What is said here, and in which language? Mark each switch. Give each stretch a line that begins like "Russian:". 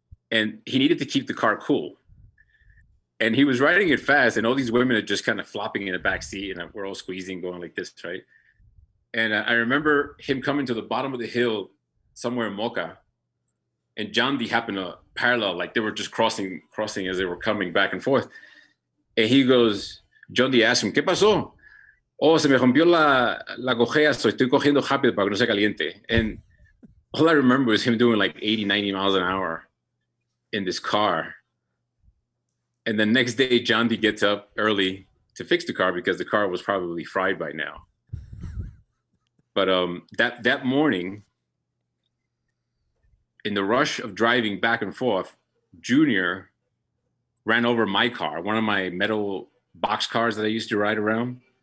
English: And he needed to keep the car cool. And he was riding it fast, and all these women are just kind of flopping in the back seat, and we're all squeezing, going like this, right? And I remember him coming to the bottom of the hill somewhere in Moca, and John D happened to parallel, like they were just crossing as they were coming back and forth. And he goes, John D asked him,
Spanish: "¿Qué pasó?" "Oh, se me rompió la cojea,
English: so
Spanish: estoy cogiendo rápido para que no se caliente."
English: And all I remember is him doing like 80, 90 miles an hour in this car. And the next day, John D gets up early to fix the car because the car was probably fried by now. But that morning, in the rush of driving back and forth, Junior ran over my car, one of my metal box cars that I used to ride around.